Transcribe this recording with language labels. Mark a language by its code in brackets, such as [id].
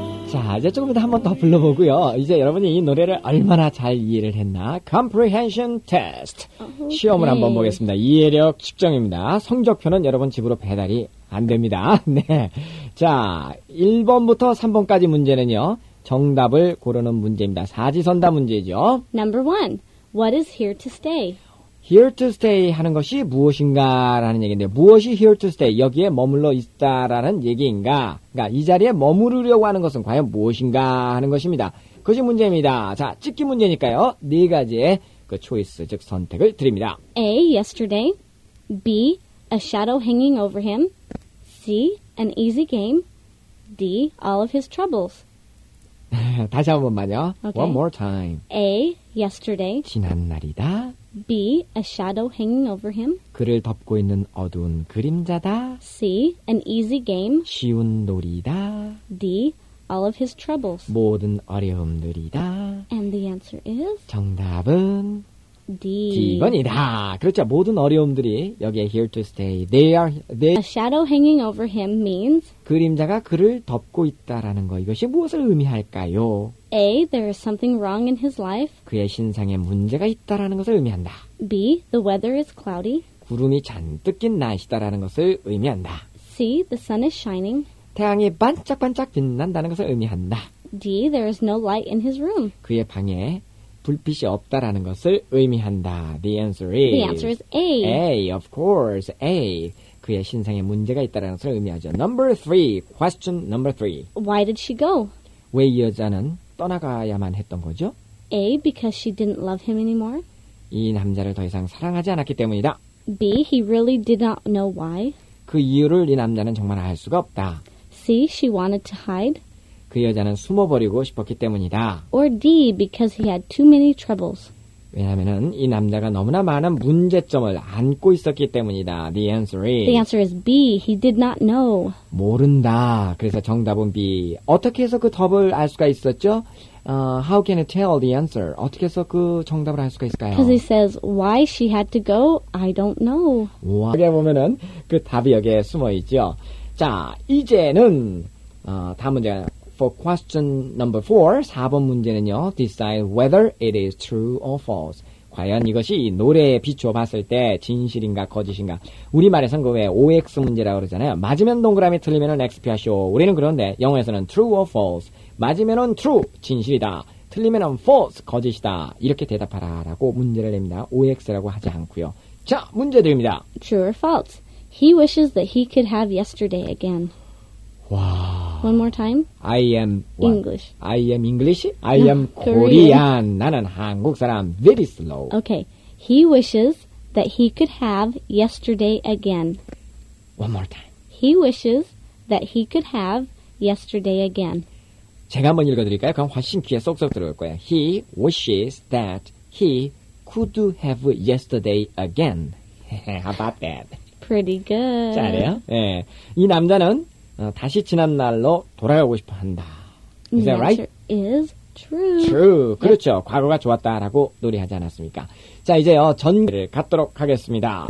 [ko] 자, 이제 조금 더 한번 더 불러보고요. 이제 여러분이 이 노래를 얼마나 잘 이해를 했나? [en] Comprehension Test. 시험을 [ko] 네. 한번 보겠습니다. 이해력 측정입니다. 성적표는 여러분 집으로 배달이 안 됩니다. 네. 자, 1번부터 3번까지 문제는요. 정답을 고르는 문제입니다. 사지선다 문제죠. [en] Number one, what is here to stay? Here to stay [ko] 하는 것이 무엇인가라는 얘기인데 무엇이 [en] here to stay? [ko] 여기에 머물러 있다라는 얘기인가? 그러니까 이 자리에 머무르려고 하는 것은 과연 무엇인가 하는 것입니다. 그것이 문제입니다. 자, 찍기 문제니까요. 네 가지의 그 choice, 즉 선택을 드립니다. [en] A, yesterday. B, a shadow hanging over him. C, an easy game. D, all of his troubles. [ko] 다시 한 번만요. [en] Okay. One more time. A, yesterday. [ko] 지난 날이다. [en] B, a shadow hanging over him. [ko] 그를 덮고 있는 어두운 그림자다. [en] C, an easy game. [ko] 쉬운 놀이다. [en] D, all of his troubles. [ko] 모든 어려움들이다. [en] And the answer is? [ko] 정답은? [en] D. [ko] D번이다. 그렇죠. 모든 어려움들이 여기에 [en] here to stay. A shadow hanging over him means [ko] 그림자가 그를 덮고 있다라는 거. 이것이 무엇을 의미할까요? [en] A. There is something wrong in his life. [ko] 그의 신상에 문제가 있다라는 것을 의미한다. [en] B. The weather is cloudy. [ko] 구름이 잔뜩 낀 날씨다라는 것을 의미한다. [en] C. The sun is shining. [ko] 태양이 반짝반짝 빛난다는 것을 의미한다. [en] D. There is no light in his room. [ko] 그의 방에 불빛이 없다라는 것을 의미한다. [en] The answer is A. A. Of course. A. [ko] 그의 신상에 문제가 있다라는 것을 의미하죠. [en] Number three. Question number three. Why did she go? [ko] 왜 이 여자는 떠나가야만 했던 거죠? [en] A. Because she didn't love him anymore. [ko] 이 남자를 더 이상 사랑하지 않았기 때문이다. [en] B. He really did not know why. [ko] 그 이유를 이 남자는 정말 알 수가 없다. [en] C. She wanted to hide. [ko] 그 여자는 숨어버리고 싶었기 때문이다. [en] Or D. Because he had too many troubles. [ko] 왜냐하면 이 남자가 너무나 많은 문제점을 안고 있었기 때문이다. [en] The answer is B. He did not know. [ko] 모른다. 그래서 정답은 B. 어떻게 해서 그 답을 알 수가 있었죠? [en] How can I tell the answer? [ko] 어떻게 해서 그 정답을 알 수가 있을까요? [en] Because he says, why she had to go, I don't know. [ko] 어떻게 보면 그 답이 여기에 숨어있죠. 자, 이제는 다음 문제 [en] For question number 4, [ko] 4번 문제는요. [en] Decide whether it is true or false. [ko] 과연 이것이 노래에 비추어 봤을 때 진실인가 거짓인가. 우리말에서는 왜 OX 문제라고 그러잖아요. 맞으면 동그라미, 틀리면 X 표시오. 우리는 그런데 영어에서는 [en] true or false. [ko] 맞으면 true, 진실이다. 틀리면 false, 거짓이다. 이렇게 대답하라 라고 문제를 냅니다. OX라고 하지 않고요. 자, 문제 드립니다. [en] True or false? He wishes that he could have yesterday again. 와... One more time. I am what? English. I am English. I am Korean. [ko] 나는 한국 사람. [en] Very slow. Okay. He wishes that he could have yesterday again. One more time. He wishes that he could have yesterday again. [ko] 제가 한번 읽어드릴까요? 그럼 훨씬 귀에 쏙쏙 들어올 거예요. [en] He wishes that he could have yesterday again. How about that? Pretty good. [ko] 잘해요? 네. 이 남자는 다시 지난 날로 돌아가고 싶어 한다. [en] Is that right? The answer is true. True. 그렇죠. Yep. [ko] 과거가 좋았다라고 노래하지 않았습니까? 자, 이제요. 전개를 갖도록 하겠습니다.